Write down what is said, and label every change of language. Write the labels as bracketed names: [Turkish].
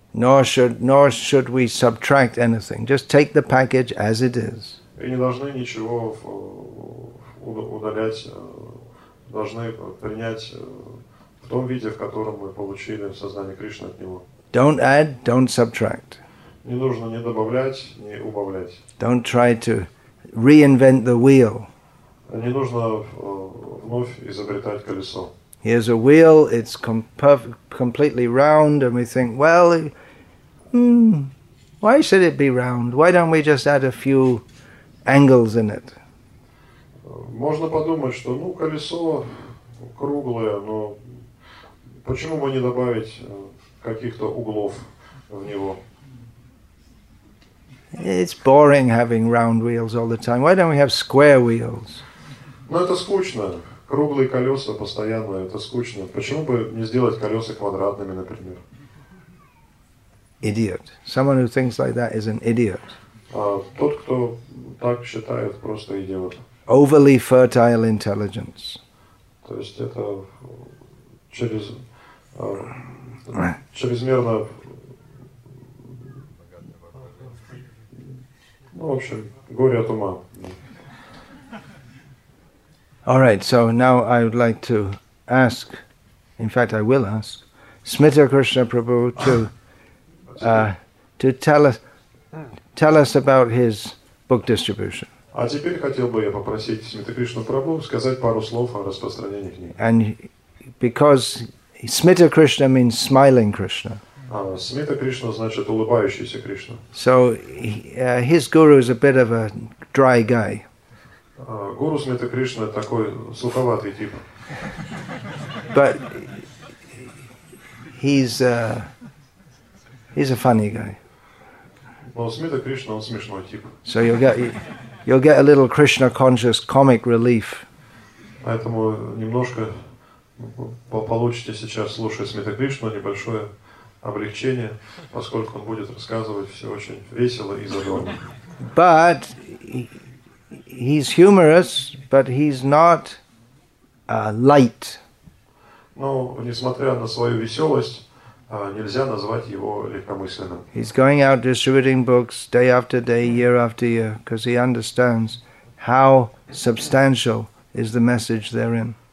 [English] Nor should we subtract anything. Just take the package as it is. [Russian] И не должны ничего удалять. Должны принять в том виде, в котором мы получили сознание Кришны от него. [English] Don't add, don't subtract. [Russian] Не нужно ни добавлять, ни убавлять. [English] Don't try to reinvent the wheel. [Russian] Не нужно вновь изобретать колесо. [English] Here's a wheel, it's completely round, and we think, well, why should it be round? Why don't we just add a few angles in it? [Russian] Можно подумать, что, ну, колесо круглое, но почему бы не добавить каких-то углов в него. [English] It's boring having round wheels all the time. Why don't we have square wheels? [Russian] Ну, это скучно. Круглые колеса постоянно, это скучно. Почему бы не сделать колеса квадратными, например? [English] Idiot. Someone who thinks like that is an idiot. [Russian] Тот, кто так считает, просто идиот. [English] Overly fertile intelligence. [Russian] То есть это через... чрезмерно, ну, в общем, горе от ума. [English] All right, so now I would like to ask In fact, I will ask Smita Krishna Prabhu to tell us about his book distribution. [Russian] А теперь хотел бы я попросить Смита Кришну Прабху сказать пару слов о распространении книг. [English] And because Smita Krishna means smiling Krishna. [Russian] Смита Кришна значит улыбающийся Кришна. [English] So his guru is a bit of a dry guy. [Russian] Гуру Смита Кришна такой суховатый тип. [English] But he's a funny guy. [Russian] Но Смита Кришна он смешной тип. [English] So you'll get a little Krishna conscious comic relief. [Russian] Поэтому немножко получите сейчас, слушая Смита Кришну, небольшое облегчение, поскольку он будет рассказывать все очень весело и задорно. [English] But he's humorous, but he's not light. [Russian] Ну, несмотря на свою веселость, нельзя назвать его легкомысленным. [English] He's going out distributing books day after day, year after year, because he understands how substantial is the message therein.